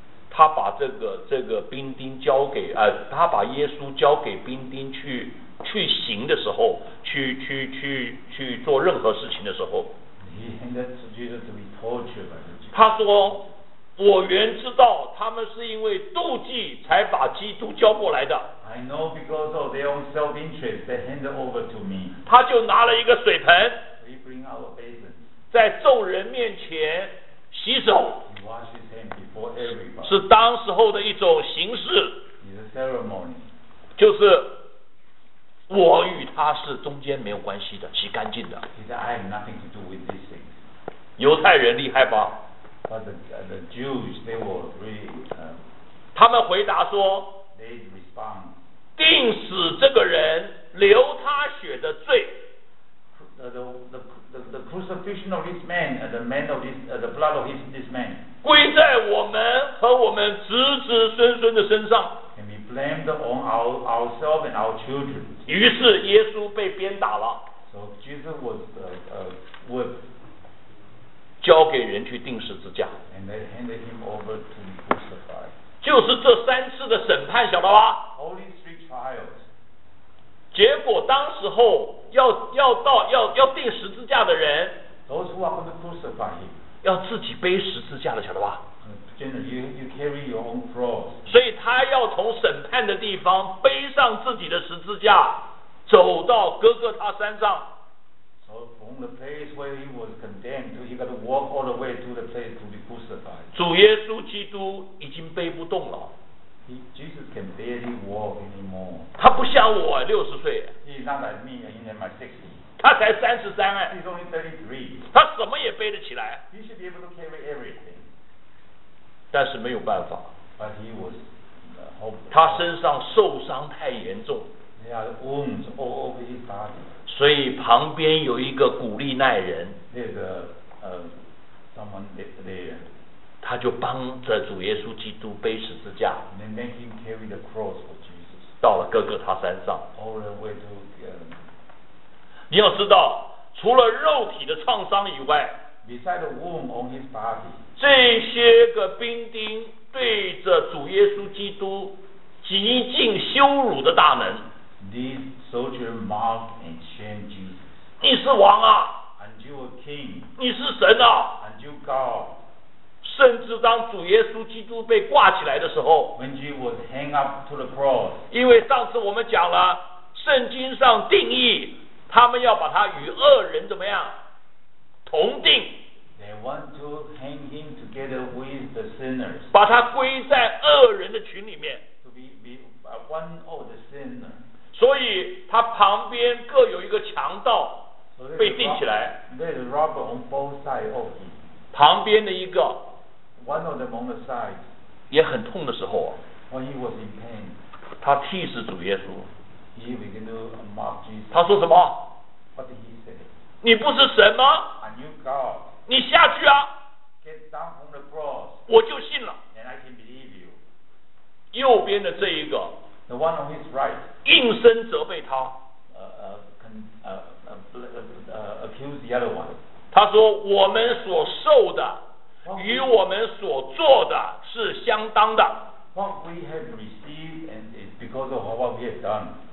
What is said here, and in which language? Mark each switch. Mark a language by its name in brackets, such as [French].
[Chinese] 他把这个兵丁交给他把耶稣交给兵丁去行的时候，去做任何事情的时候。 [English] He handed Jesus to be tortured by the Jews. [Chinese] 他说，我原知道他们是因为妒忌才把基督交过来的。 [English] I know because of their own self-interest they hand over to me. [Chinese] 他就拿了一个水盆。 [English] He bring out a basin. [Chinese] 在众人面前洗手。 [English] He washed his hand before everybody. [Chinese] 是当时候的一种形式。 [English] It's a ceremony. [Chinese] 就是我与他是中间没有关系的，洗干净的。 [English] He said, I have nothing to do with these things. [Chinese] 犹太人厉害吧？ [English] But the Jews, they were really, [Chinese] 他们回答说 [English] they respond, [Chinese] 定死这个人流他血的罪 [English] the crucifixion of this man, the, man of this, the blood of this man [Chinese] 归在我们和我们子子孙孙的身上 [English] can be blamed on ourselves and our children [Chinese] 于是耶稣被鞭打了 [English] So Jesus was whipped [Chinese] 交给人去钉十字架 [English] and they handed him over to be crucified. [Chinese] 就是这三次的审判晓得吧 [English] Only three trials. [Chinese] 结果当时候 要钉十字架的人 [English] Those who are going to crucify him. [Chinese] 要自己背十字架的晓得吧 [English] General, you carry your own cross. [Chinese] 所以他要从审判的地方背上自己的十字架走到哥哥他山上 [English] From the place where he was condemned, to, he got to walk all the way to the place to be crucified. [Chinese] 主耶稣基督已经背不动了。 [English] Jesus can barely walk anymore. [Chinese] 他不像我六十岁。 [English] He's not like me, he's in my 60s. [Chinese] 他才33哎。 [English] He's only 33. [Chinese] 他什么也背得起来。 [English] He should be able to carry everything. [Chinese] 但是没有办法。 [English] But he was hopeless. [Chinese] 他身上受伤太严重。 [English] They are wounds all over his body. [Chinese] 所以旁边有一个古利奈人 [English] There's someone there. [Chinese] 他就帮着主耶稣基督背十字架 [English] They make him carry the cross for Jesus. [Chinese] 到了哥哥他山上 [English] All the way to [Chinese] 你要知道除了肉体的创伤以外 [English] Beside the wound on his body. [Chinese] 这些个兵丁对着主耶稣基督极尽羞辱的大门 [English] These soldiers mocked and shamed Jesus. [Chinese] 你是王啊 [English] ！And you a king. [Chinese] 你是神啊 [English] ！And you God. [Chinese] 甚至当主耶稣基督被挂起来的时候 [English] ，When Jesus was hung up to the cross. [Chinese] 因为上次我们讲了，圣经上定义他们要把他与恶人怎么样同定 [English] ？They want to hang him together with the sinners. [Chinese] 把他归在恶人的群里面 [English] ，to be one of the sinners. [Chinese] 所以他旁边各有一个强盗被钉起来 [English] There's a robber on both sides of him [Chinese] 旁边的一个 [English] One of them on the side [Chinese] 也很痛的时候 [English] When he was in pain [Chinese] 他替死主耶稣 [English] He began to mock Jesus [Chinese] 他说什么 [English] What did he say [Chinese] 你不是神吗 [English] Are you God [Chinese] 你下去啊 [English] Get down from the cross [Chinese] 我就信了 [English] And I can believe you [Chinese] 右边的这一个 [English] The one on his right [Chinese] 硬声责备他 [English] accuse the other one [Chinese] 他说我们所受的与我们所做的是相当的 [English] what we have received and because of what we have done